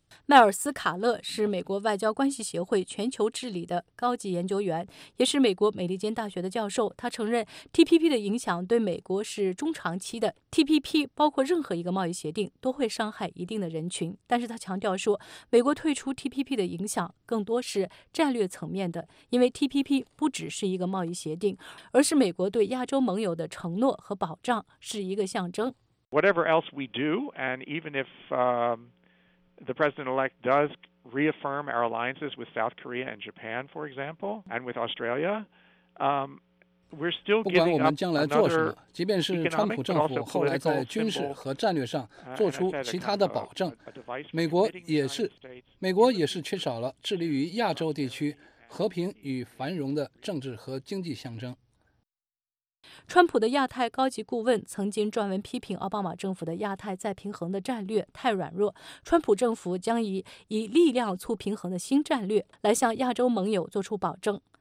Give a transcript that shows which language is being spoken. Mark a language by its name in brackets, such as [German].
[Chinese] 迈尔斯·卡勒是美国外交关系协会全球治理的高级研究员，也是美国美利坚大学的教授。他承认 TPP 的影响对美国是中长期的， TPP 包括任何一个贸易协定都会伤害一定的人群，但是他强调说美国退出 TPP 的影响更多是战略层面的，因为 TPP 不只是一个贸易协定，而是美国对亚洲盟友的承诺和保障，是一个象征。 [English] Whatever else we do, and even if The president-elect does reaffirm our alliances with South Korea and Japan, for example, and with Australia. We're still giving up another economic, but also political commitment. [Chinese] 即便是川普政府后来在军事和战略上做出其他的保证，美国也是缺少了致力于亚洲地区和平与繁荣的政治和经济象征。川普的亚太高级顾问曾经撰文批评奥巴马政府的亚太再平衡的战略太软弱，川普政府将以力量促平衡的新战略来向亚洲盟友做出保证。